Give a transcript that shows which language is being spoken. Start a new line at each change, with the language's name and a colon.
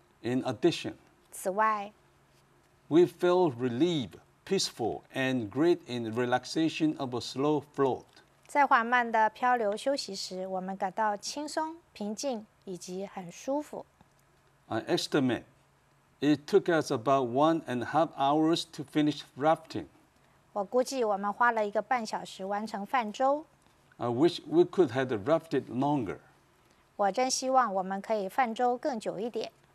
English: In addition,
Chinese: 此外
English: we felt relieved, peaceful, and great in the relaxation of a slow float.
Chinese: 在缓慢的漂流休息时，我们感到轻松、平静以及很舒服。
English: I estimate it took us about 1.5 hours to finish rafting.
Chinese: 我估计我们花了一个半小时完成泛舟。
English: I wish we could have rafted longer.
Chinese: 我真希望我们可以泛舟更久一点。